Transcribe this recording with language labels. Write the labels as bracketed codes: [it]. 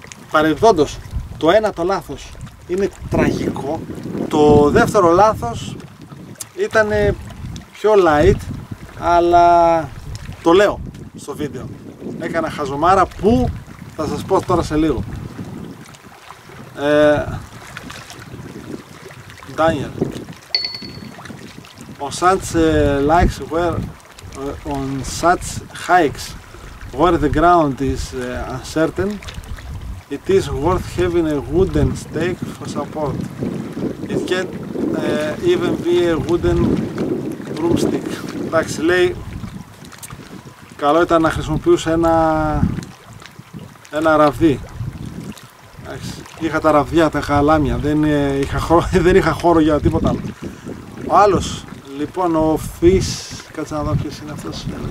[el] Παρεπτόντως, το ένα το λάθος είναι τραγικό, το δεύτερο λάθος ήταν πιο light, αλλά το λέω στο βίντεο. Έκανα χαζομάρα που θα σας πω τώρα σε λίγο. [en] Daniel, on such likes where on such hikes where the ground is uncertain, it is worth having a wooden stake for support. It can even be a wooden broomstick. [el] Εντάξει, λέει, καλό ήταν να χρησιμοποιούσε ένα ραβδί. Είχα τα ραβδιά, τα χαλάμια, δεν είχα χώρο για τίποτα άλλο. Ο άλλος, λοιπόν, ο Φις, κάτσε να δω ποιος είναι αυτός.